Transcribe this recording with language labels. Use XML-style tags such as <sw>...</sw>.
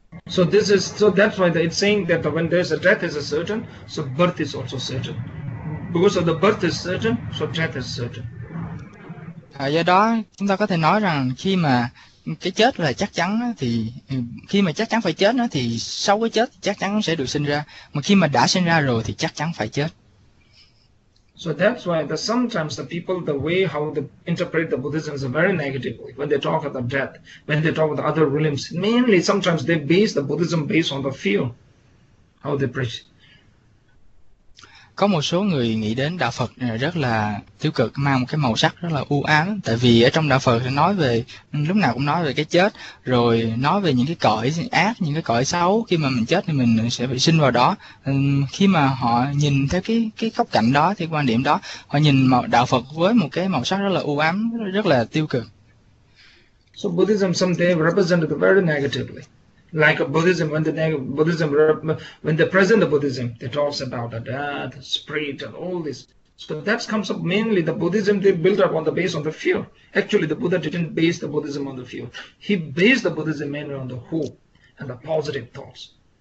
<en>So this is, so that's why it's saying that when there's a death is a certain, so birth is also certain. Because of the birth is certain, so death is certain.</en> <vi>À, do đó chúng ta có thể nói rằng khi mà cái chết là chắc chắn thì khi mà chắc chắn phải chết nó thì sau cái chết chắc chắn sẽ được sinh ra, mà khi mà đã sinh ra rồi thì chắc chắn phải chết.</vi> <en>So that's why the sometimes the people, the way how they interpret the Buddhism is very negatively when they talk about the death, when they talk about the other religions. Mainly sometimes they base the Buddhism based on the fear, how they preach.</en> <vi>Có một số người nghĩ đến đạo Phật rất là tiêu cực, mang một cái màu sắc rất là u ám, tại vì ở trong đạo Phật thì nói về lúc nào cũng nói về cái chết, rồi nói về những cái cõi ác, những cái cõi xấu, khi mà mình chết thì mình sẽ bị sinh vào đó. Khi mà họ nhìn theo cái góc cạnh đó, thì quan điểm đó, họ nhìn đạo Phật với một cái màu sắc rất là u ám, rất là tiêu cực.</vi> <en>So Buddhism someday represented very negatively. Like a Buddhism, when the Buddhism, when they present the Buddhism, they talk about the death, spirit, and all this. So that comes up mainly the Buddhism they built up on the base on the fear. Actually, the Buddha didn't base the Buddhism on the fear. He based the Buddhism mainly on the hope and the positive thoughts.</en>